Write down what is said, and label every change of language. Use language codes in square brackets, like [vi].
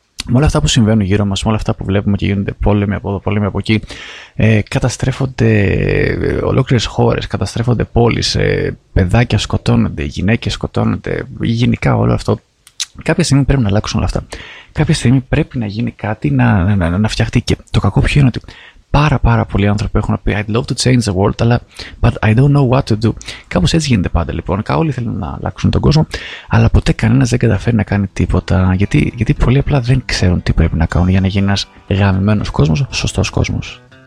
[el] Με όλα αυτά που συμβαίνουν γύρω μας, με όλα αυτά που βλέπουμε και γίνονται πόλεμοι από εδώ, πόλεμοι από εκεί, καταστρέφονται ολόκληρες χώρες, καταστρέφονται πόλεις, παιδάκια σκοτώνονται, γυναίκες σκοτώνονται, γενικά όλο αυτό. Κάποια στιγμή πρέπει να αλλάξουν όλα αυτά. Κάποια στιγμή πρέπει να γίνει κάτι, να φτιαχτεί. Και το κακό ποιο είναι ότι πάρα πολλοί άνθρωποι έχουν πει [en] I'd love to change the world, [el] αλλά [en] but I don't know what to do. [el] Κάπως έτσι γίνεται πάντα λοιπόν. Όλοι θέλουν να αλλάξουν τον κόσμο, αλλά ποτέ κανένας δεν καταφέρει να κάνει τίποτα. Γιατί πολύ απλά δεν ξέρουν τι πρέπει να κάνουν για να γίνει ένας γαμημένος κόσμος, σωστός κόσμος.